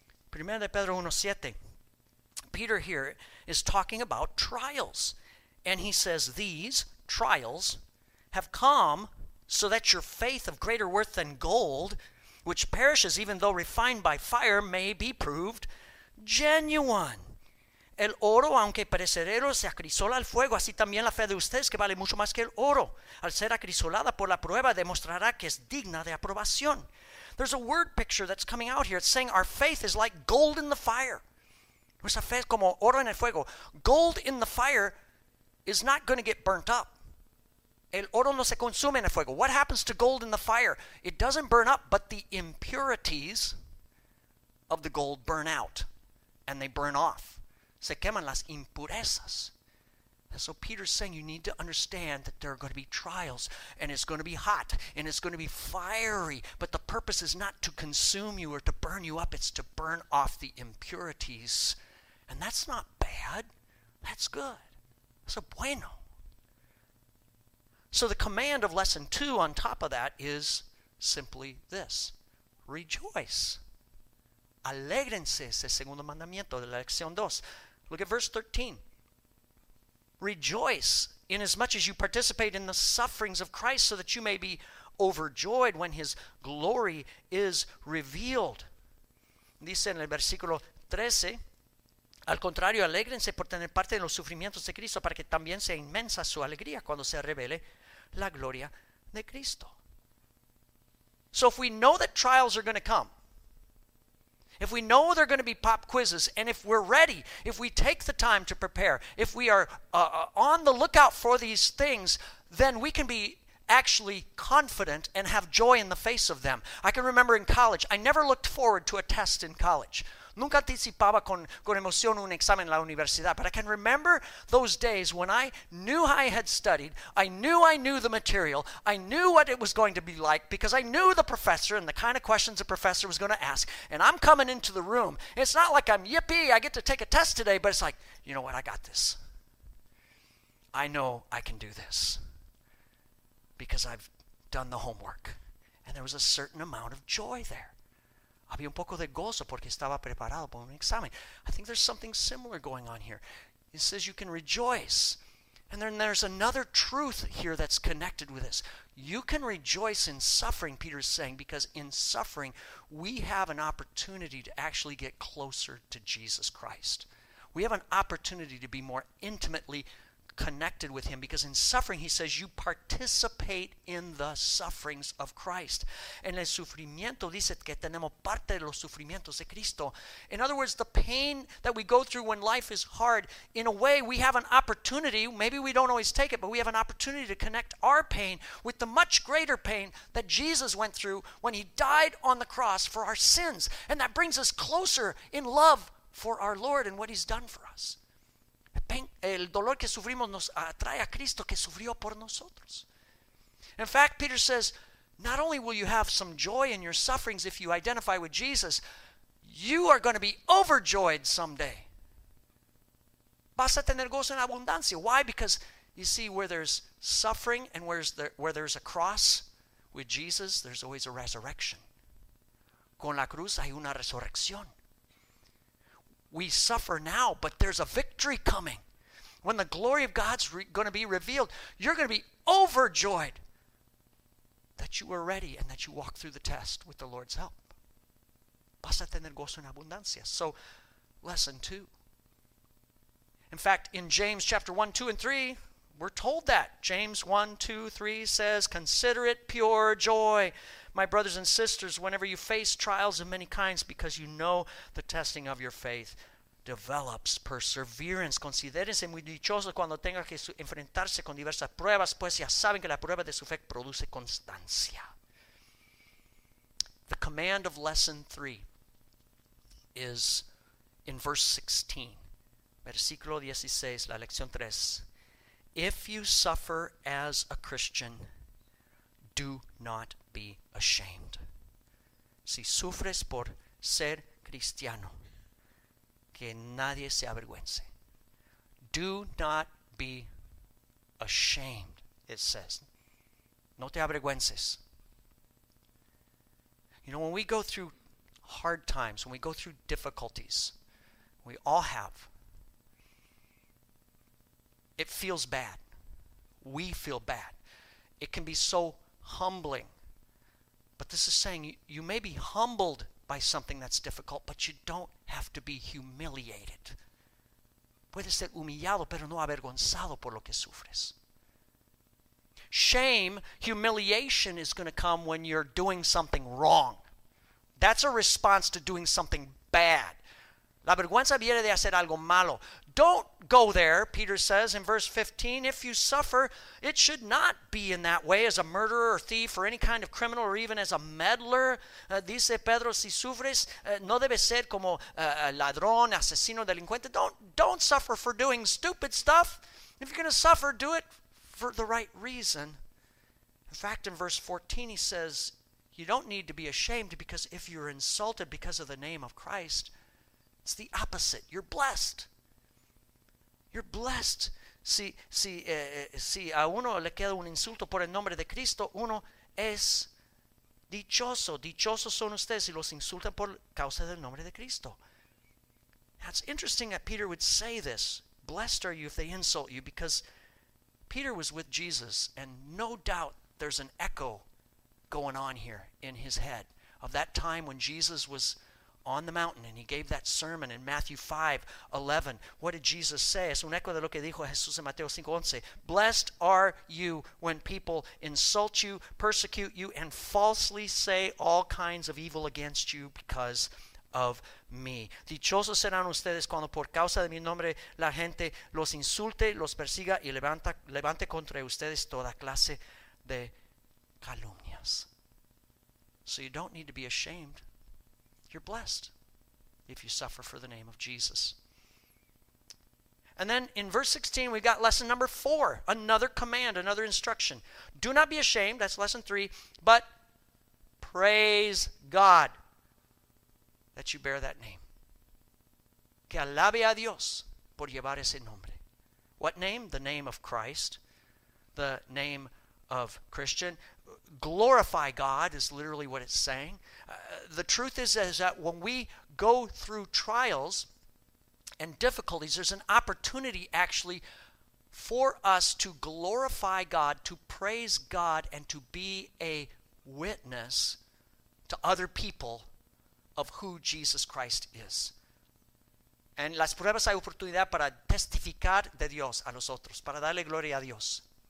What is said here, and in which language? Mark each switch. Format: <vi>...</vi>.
<es>Primera de Pedro 1:7.</es> <en>Peter here is talking about trials, and he says these trials have come so that your faith of greater worth than gold, which perishes even though refined by fire, may be proved genuine.</en> <es>El oro, aunque perecedero, se acrisola al fuego. Así también la fe de ustedes, que vale mucho más que el oro, al ser acrisolada por la prueba, demostrará que es digna de aprobación.</es> <en>There's a word picture that's coming out here. It's saying our faith is like gold in the fire.</en> <es>Nuestra fe es como oro en el fuego.</es> <en>Gold in the fire is not going to get burnt up.</en> <es>El oro no se consume en el fuego.</es> <en>What happens to gold in the fire? It doesn't burn up, but the impurities of the gold burn out and they burn off.</en> <es>Se queman las impurezas.</es> <en>And so Peter's saying you need to understand that there are going to be trials and it's going to be hot and it's going to be fiery, but the purpose is not to consume you or to burn you up. It's to burn off the impurities. And that's not bad. That's good.</en> <es>Eso bueno.</es> <en>So the command of lesson 2 on top of that is simply this. Rejoice.</en> <es>Alégrense, es el segundo mandamiento de la lección 2.</es> <en>Look at verse 13. Rejoice inasmuch as you participate in the sufferings of Christ so that you may be overjoyed when his glory is revealed.</en> <es>Dice en el versículo 13, al contrario, alégrense por tener parte en los sufrimientos de Cristo para que también sea inmensa su alegría cuando se revele la gloria de Cristo.</es> <en>So if we know that trials are going to come, if we know there are going to be pop quizzes, and if we're ready, if we take the time to prepare, if we are on the lookout for these things, then we can be actually confident and have joy in the face of them. I can remember in college, I never looked forward to a test in college. Nunca anticipaba con emoción un examen en la universidad. But I can remember those days when I knew I had studied. I knew the material. I knew what it was going to be like because I knew the professor and the kind of questions the professor was going to ask. And I'm coming into the room. It's not like I'm, yippee, I get to take a test today. But it's like, you know what, I got this. I know I can do this because I've done the homework. And there was a certain amount of joy there.</en> <es>Había un poco de gozo porque estaba preparado para un examen.</es> <en>I think there's something similar going on here. It says you can rejoice. And then there's another truth here that's connected with this. You can rejoice in suffering, Peter's saying, because in suffering, we have an opportunity to actually get closer to Jesus Christ. We have an opportunity to be more intimately connected with him, because in suffering, he says, you participate in the sufferings of Christ.</en> <es>En el sufrimiento, dice que tenemos parte de los sufrimientos de Cristo.</es> <en>In other words, the pain that we go through when life is hard, in a way, we have an opportunity, maybe we don't always take it, but we have an opportunity to connect our pain with the much greater pain that Jesus went through when he died on the cross for our sins. And that brings us closer in love for our Lord and what he's done for us.</en> <es>pain, el dolor que sufrimos nos atrae a Cristo que sufrió por nosotros.</es> <en>In fact, Peter says, not only will you have some joy in your sufferings if you identify with Jesus, you are going to be overjoyed someday.</en> <es>Vas a tener gozo en abundancia.</es> <en>Why? Because you see, where there's suffering and where there's a cross with Jesus, there's always a resurrection.</en> <es>Con la cruz hay una resurrección.</es> <en>We suffer now, but there's a victory coming. When the glory of God's going to be revealed, you're going to be overjoyed that you were ready and that you walked through the test with the Lord's help.</en> <es>Vas a tener gozo en abundancia.</es> <en>So, lesson two. In fact, in James chapter 1, 2, and 3, we're told that. James 1, 2, 3 says, consider it pure joy, my brothers and sisters, whenever you face trials of many kinds, because you know the testing of your faith develops perseverance.</en> <es>Considérense muy dichosos cuando tengan que enfrentarse con diversas pruebas, pues ya saben que la prueba de su fe produce constancia.</es> <en>The command of lesson 3 is in verse 16.</en> <es>Versículo 16, la lección 3.</es> <en>If you suffer as a Christian, do not be ashamed.</en> <es>Si sufres por ser cristiano, que nadie se avergüence.</es> <en>Do not be ashamed, it says.</en> <es>No te avergüences.</es> <en>You know, when we go through hard times, when we go through difficulties, we all have, it feels bad. We feel bad. It can be so humbling. But this is saying you may be humbled by something that's difficult, but you don't have to be humiliated.</en> <es>Puedes ser humillado, pero no avergonzado por lo que sufres.</es> <en>Shame, humiliation is going to come when you're doing something wrong. That's a response to doing something bad.</en> <es>La vergüenza viene de hacer algo malo.</es> <en>Don't go there, Peter says in verse 15. If you suffer, it should not be in that way as a murderer or thief or any kind of criminal or even as a meddler.</en> <es>Dice Pedro, si sufres, no debe ser como ladrón, asesino, delincuente.</es> <en>Don't suffer for doing stupid stuff. If you're going to suffer, do it for the right reason. In fact, in verse 14, he says, you don't need to be ashamed because if you're insulted because of the name of Christ, it's the opposite. You're blessed. You're blessed.</en> <es>Si a uno le queda un insulto por el nombre de Cristo, uno es dichoso. Dichosos son ustedes si los insultan por causa del nombre de Cristo.</es> <en>Now it's interesting that Peter would say this. Blessed are you if they insult you, because Peter was with Jesus, and no doubt there's an echo going on here in his head of that time when Jesus was on the mountain and he gave that sermon in Matthew 5, 11. What did Jesus say?</en> <es>Es un eco de lo que dijo Jesús en Mateo 5, 11.</es> <en>Blessed are you when people insult you, persecute you, and falsely say all kinds of evil against you because of me.</en> <es>Dichosos serán ustedes cuando por causa de mi nombre la gente los insulte, los persiga y levante contra ustedes toda clase de calumnia.</es> <en>So you don't need to be ashamed. You're blessed if you suffer for the name of Jesus. And then in verse 16, we've got lesson number 4, another command, another instruction. Do not be ashamed, that's lesson 3, but praise God that you bear that name.</en> <es>Que alabe a Dios por llevar ese nombre.</es> <en>What name? The name of Christ, the name of Christian. Glorify God is literally what it's saying. The truth is that when we go through trials and difficulties, there's an opportunity actually for us to glorify God, to praise God, and to be a witness to other people of who Jesus Christ is.</en> <es>En las pruebas hay oportunidad para testificar de Dios a nosotros, para darle gloria a Dios.</es>